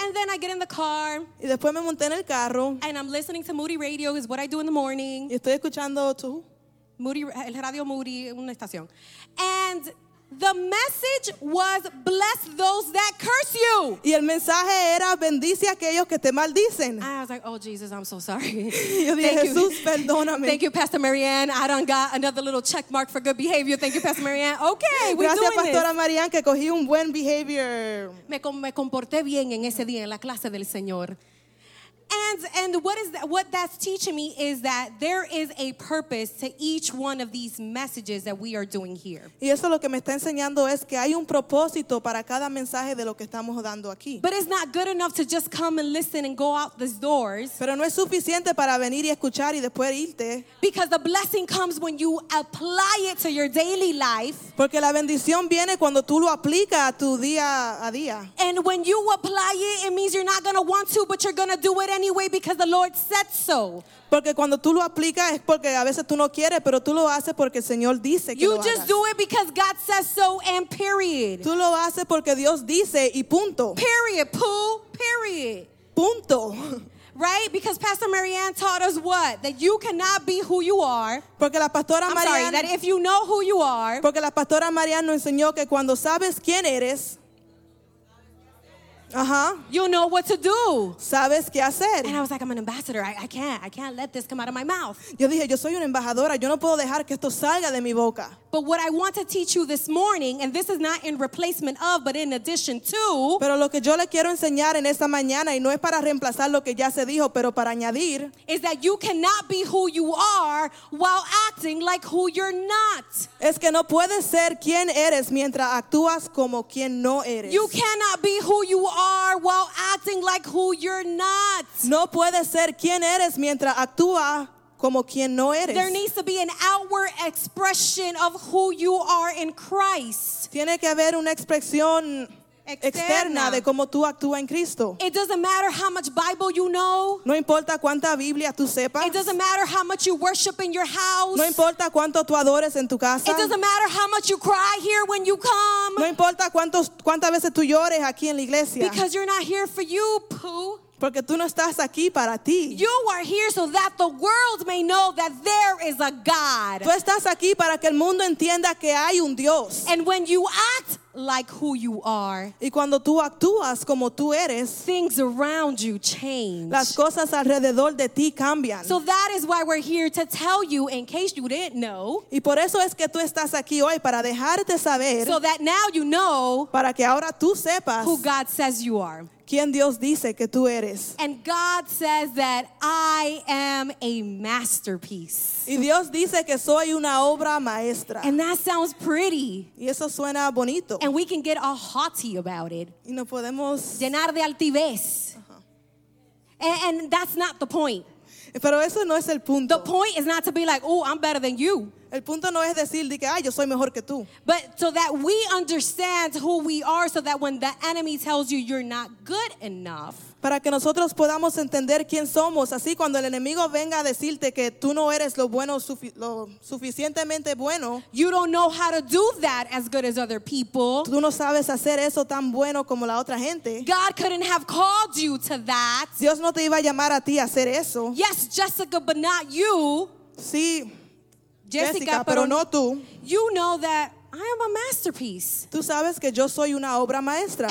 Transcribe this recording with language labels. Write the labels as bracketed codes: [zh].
[en] And then I get in the car. [es] Y después me monté en el carro. [en] And I'm listening to Moody Radio, is what I do in the morning. [es] Y estoy escuchando tú. Moody, el radio Moody, una estación. [en] And the message was, bless those that curse you. [es] Y el mensaje era, bendice a aquellos que te maldicen. [en] I was like, oh, Jesus, I'm so sorry. [es] Yo dije, Jesús, perdóname. [en] Thank you, Pastor Marianne. I done got another little check mark for good behavior. Thank you, Pastor Marianne. Okay, we're [es] gracias, [en] doing [es] Pastora [en] this. [es] Gracias, Pastora Marianne, que cogí un buen behavior. Me comporté bien en ese día, en la clase del Señor. [en] And what is that, what that's teaching me is that there is a purpose to each one of these messages that we are doing here. [es] Y eso lo que me está enseñando es que hay un propósito para cada mensaje de lo que estamos dando aquí. [en] But it's not good enough to just come and listen and go out these doors. [es] Pero no es suficiente para venir y escuchar y después irte. [en] Because the blessing comes when you apply it to your daily life. [es] Porque la bendición viene cuando tú lo aplicas a tu día a día. [en] And when you apply it, it means you're not going to want to, but you're going to do it anyway because the Lord said so. [es] Porque cuando tú lo aplicas es porque a veces tú no quieres, pero tú lo haces porque el Señor dice que [en] you [es] lo hagas. [en] You just do it because God says so and period. [es] Tú lo haces porque Dios dice y punto. [en] Period. Pooh. Period. [es] Punto. [en] Right? Because Pastor Marianne taught us what? That you cannot be who you are. [es] Porque la pastora Marianne, [en] I'm sorry, that if you know who you are. [es] Porque la pastora Marianne nos enseñó que cuando sabes quién eres, uh-huh, [en] you know what to do. [es] Sabes qué hacer. [en] And I was like, I'm an ambassador. I can't let this come out of my mouth. [es] Yo dije, yo soy una embajadora. Yo no puedo dejar que esto salga de mi boca. [en] But what I want to teach you this morning, and this is not in replacement of, but in addition to. [es] Pero lo que yo le quiero enseñar en esta mañana, y no es para reemplazar lo que ya se dijo, pero para añadir. [en] Is that you cannot be who you are while acting like who you're not. [es] Es que no puedes ser quien eres mientras actúas como quien no eres. [en] You cannot be who you are while acting like who you're not. [es] No puedes ser quien eres mientras actúas como quien no eres. [en] There needs to be an outward expression of who you are in Christ. [es] Tiene que haber una expresión externa de cómo tú actúas en Cristo. [en] It doesn't matter how much Bible you know. [es] No importa cuánta Biblia tú sepas. [en] It doesn't matter how much you worship in your house. [es] No importa cuánto tú adores en tu casa. [en] It doesn't matter how much you cry here when you come. [es] No importa cuántas veces tú llores aquí en la iglesia. [en] Because you're not here for you, Pooh. [es] Porque tú no estás aquí para ti. [en] You are here so that the world may know that there is a God. [es] Tú estás aquí para que el mundo entienda que hay un Dios. [en] And when you act like who you are, [es] y cuando tú actúas como tú eres, [en] things around you change. [es] Las cosas alrededor de ti cambian. [en] So that is why we're here to tell you, in case you didn't know. [es] Y por eso es que tú estás aquí hoy para dejarte saber. [en] So that now you know. [es] Para que ahora tú sepas [en] who God says you are. [es] ¿Quién Dios dice que tú eres? [en] And God says that I am a masterpiece. [es] Y Dios dice que soy una obra maestra. [en] And that sounds pretty. [es] Y eso suena bonito. [en] And we can get all haughty about it. [es] Y nos podemos llenar de altivez. [en] Uh-huh. And that's not the point. [es] Pero eso no es el punto. [en] The point is not to be like, oh, I'm better than you. [es] El punto no es decir de que ay, yo soy mejor que tú. [en] But so that we understand who we are, so that when the enemy tells you you're not good enough. [es] Para que nosotros podamos entender quién somos, así cuando el enemigo venga a decirte que tú no eres lo suficientemente bueno. [en] You don't know how to do that as good as other people. [es] Tú no sabes hacer eso tan bueno como la otra gente. [en] God couldn't have called you to that. [es] Dios no te iba a llamar a ti a hacer eso. [en] Yes, Jessica, but not you. [es] Sí. Jessica, pero no tú. [en] You know that I am a masterpiece. [es] Tú sabes que yo soy una obra maestra.